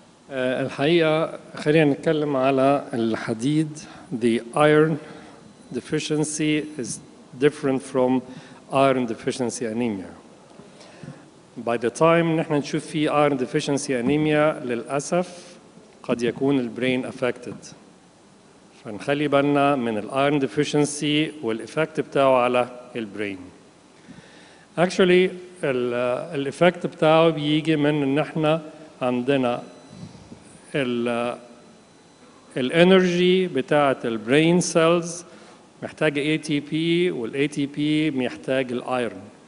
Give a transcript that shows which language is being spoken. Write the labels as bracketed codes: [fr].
[ar] الحقيقة خلينا نتكلم على الحديد. [en] The iron deficiency is different from iron deficiency anemia. By the time [ar] نحن نشوف في [en] iron deficiency anemia, [ar] للأسف قد يكون البرين [en] affected. [ar] فنخلي بالنا من الiron deficiency والإفكت بتاعه على البرين. [en] Actually, [ar] الإفكت بتاعه بيجي من إن إحنا عندنا الإنرجي بتاعة البرين سيلز محتاج ATP والATP محتاج الآيرن.